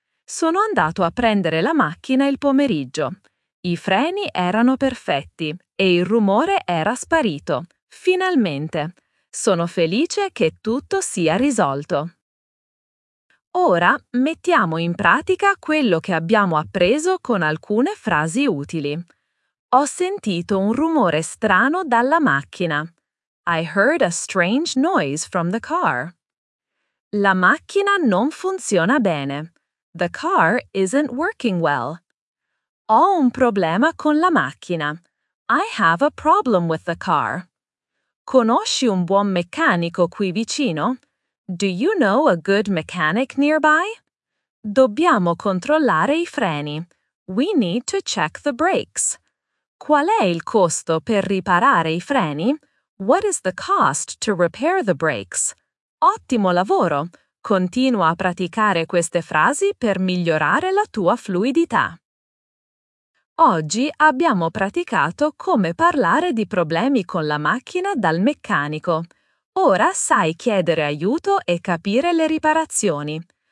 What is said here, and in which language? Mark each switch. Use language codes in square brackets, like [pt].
[it] Sono andato a prendere la macchina il pomeriggio. I freni erano perfetti e il rumore era sparito. Finalmente! Sono felice che tutto sia risolto. Ora mettiamo in pratica quello che abbiamo appreso con alcune frasi utili. Ho sentito un rumore strano dalla macchina. [en] I heard a strange noise from the car. [it] La macchina non funziona bene. [en] The car isn't working well. [it] Ho un problema con la macchina. [en] I have a problem with the car. [it] Conosci un buon meccanico qui vicino? [en] Do you know a good mechanic nearby? [it] Dobbiamo controllare i freni. [en] We need to check the brakes. [it] Qual è il costo per riparare i freni? [en] What is the cost to repair the brakes? [it] Ottimo lavoro! Continua a praticare queste frasi per migliorare la tua fluidità. Oggi abbiamo praticato come parlare di problemi con la macchina dal meccanico. Ora sai chiedere aiuto e capire le riparazioni.